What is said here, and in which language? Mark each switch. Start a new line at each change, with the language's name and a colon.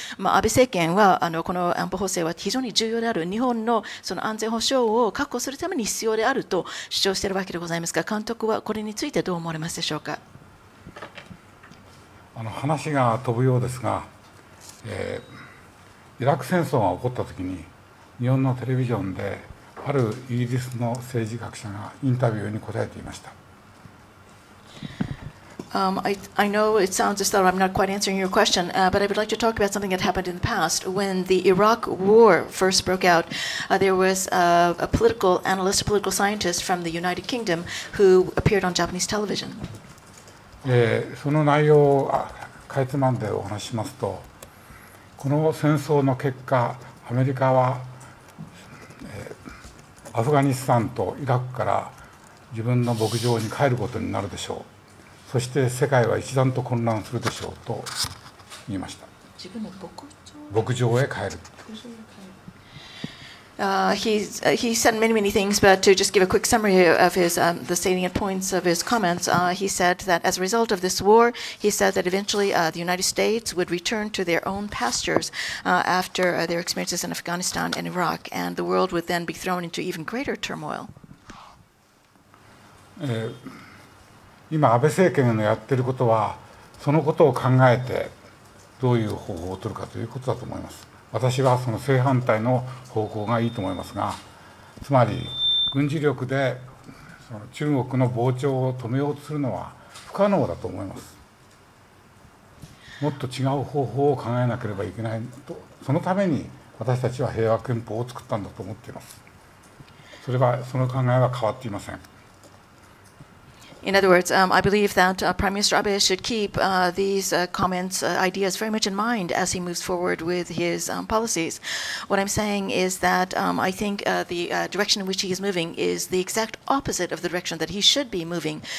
Japanese: 安倍政権はこの安保法制は非常に重要である、日本のその安全保障を確保するために必要であると主張しているわけでございますが、監督はこれについてどう思われますでしょうか。話が飛ぶようですが、イラク戦争が起こったときに、日本のテレビジョンで、あるイギリスの政治学者がインタビューに答えていました。
English: I know it sounds as though I'm not quite answering your question, but I would like to talk about something that happened in the past. When the Iraq war first broke out, there was a political analyst, a political scientist from the United Kingdom who appeared on Japanese television.
Japanese: その内容をかいつまんでお話しますと、この戦争の結果、アメリカは、アフガニスタンとイラクから自分の牧場に帰ることになるでしょう、そして世界は一段と混乱するでしょうと言いました。自分の牧場へ帰る。
English: He said many, many things, but to just give a quick summary of his, the salient points of his comments, he said that as a result of this war, he said that eventually the United States would return to their own pastures after their experiences in Afghanistan and Iraq, and the world would then be thrown into even greater turmoil.
Japanese: 今安倍政権のやってることはそのことを考えてどういう方法を取るかということだと思います。私はその正反対の方向がいいと思いますが、つまり軍事力でその中国の膨張を止めようとするのは不可能だと思います。もっと違う方法を考えなければいけないと、そのために私たちは平和憲法を作ったんだと思っています。それはその考えは変わっていません。
English: In other words, I believe that Prime Minister Abe should keep these comments, ideas very much in mind as he moves forward with his policies. What I'm saying is that I think the direction in which he is moving is the exact opposite of the direction that he should be moving.